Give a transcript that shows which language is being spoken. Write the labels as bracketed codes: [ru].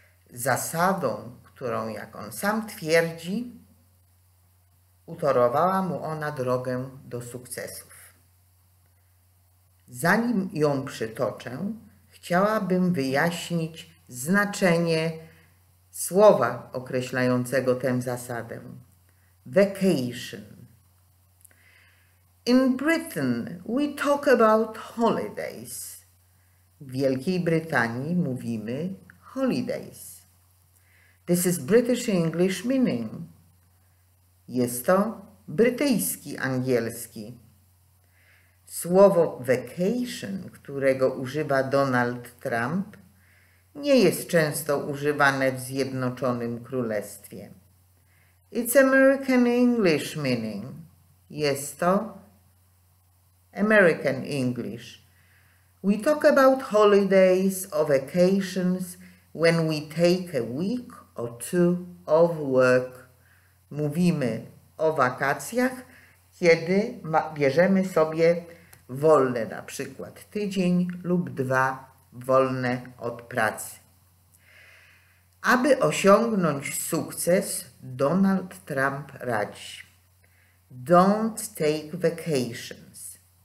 [pl] Zasadą, którą, jak on sam twierdzi, utorowała mu ona drogę do sukcesów. Zanim ją przytoczę, chciałabym wyjaśnić znaczenie słowa określającego tę zasadę. [en] Vacation. In Britain we talk about holidays. [pl] W Wielkiej Brytanii mówimy holidays. [en] This is British English meaning. [pl] Jest to brytyjski angielski. Słowo vacation, którego używa Donald Trump, nie jest często używane w Zjednoczonym Królestwie. [en] It's American English meaning. [pl] Jest to [en] American English. We talk about holidays or vacations when we take a week or two off work. [pl] Mówimy o wakacjach, kiedy bierzemy sobie wolne, na przykład tydzień lub dwa wolne od pracy. Aby osiągnąć sukces, Donald Trump radzi: [en] Don't take vacations.